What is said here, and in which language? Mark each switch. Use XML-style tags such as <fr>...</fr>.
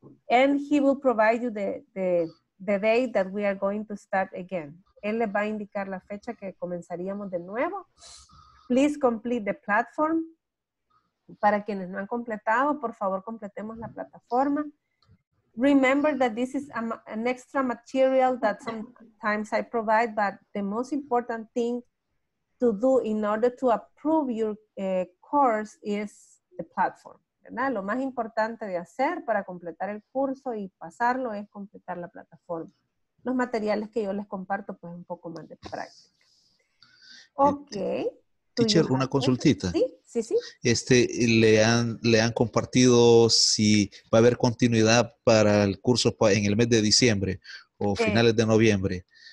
<en>And he will provide you the day that we are going to start again.</en> <es>Él les va a indicar la fecha que comenzaríamos de nuevo.</es> <en>Please complete the platform.</en> <es>Para quienes no han completado, por favor, completemos la plataforma.</es> <en>Remember that this is an extra material that sometimes I provide, but the most important thing to do in order to approve your course is the platform.</en> <es>¿Verdad? Lo más importante de hacer para completar el curso y pasarlo es completar la plataforma. Los materiales que yo les comparto, pues un poco más de práctica. Ok. Teacher, una consultita. Sí, sí, sí. ¿Le han compartido si va a haber continuidad para el curso en el mes de diciembre o finales de noviembre?</es>